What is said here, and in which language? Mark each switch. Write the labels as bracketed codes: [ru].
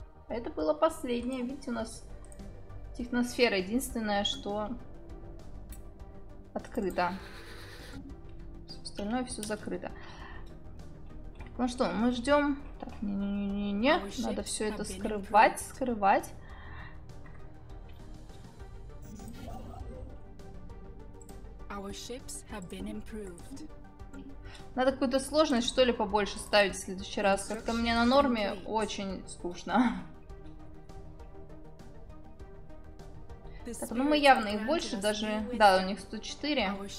[ru] Это было последнее. Видите, у нас техносфера единственное, что открыто. остальное все закрыто. Ну что, мы ждем. Так, не-не-не-не-не. Надо все это скрывать, скрывать. [en] Our ships have been improved. [ru] Надо какую-то сложность, что ли, побольше ставить в следующий раз. Как-то мне на норме очень скучно. Так, ну мы явно их больше даже... Да, у них 104.